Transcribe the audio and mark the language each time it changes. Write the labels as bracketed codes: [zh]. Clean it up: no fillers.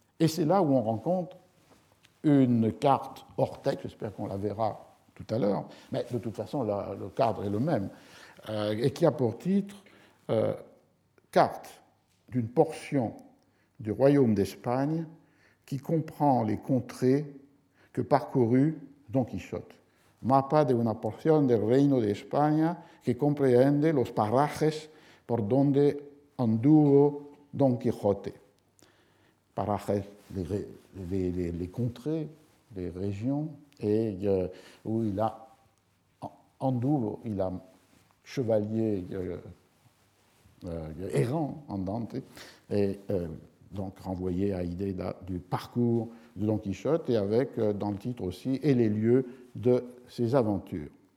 [fr] Et c'est là où on rencontre une carte hors texte, j'espère qu'on la verra tout à l'heure, mais de toute façon, le cadre est le même, et qui a pour titre « Carte d'une portion du royaume d'Espagne qui comprend les contrées que parcourut Don Quichotte. [es] Mapa de una porción del reino de España que comprende los parajes por donde anduvo Don Quijote. Parajes, [fr] les contrées les régions, et où il a, en Douvres, il a chevalier errant en Dante, et donc renvoyé à l'idée du parcours de Don Quichotte, et avec dans le titre aussi, et les lieux de ses aventures.